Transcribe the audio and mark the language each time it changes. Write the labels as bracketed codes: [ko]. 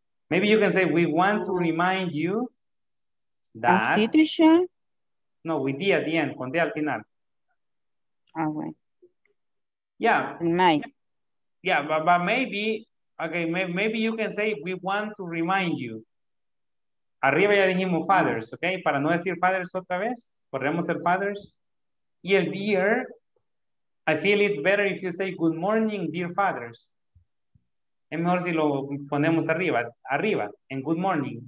[en] Maybe you can say, we want to remind you that. A citizen? No, with D at the end, [es] con D al final. [en] Ah, okay. Yeah. Remind. Yeah, but maybe. Okay, maybe you can say, we want to remind you. [es] Arriba ya dijimos fathers, okay? Para no decir fathers otra vez, podemos ser fathers. [en] Y el dear, I feel it's better if you say, good morning, dear fathers. [es] Es mejor si lo ponemos arriba, arriba, en good morning.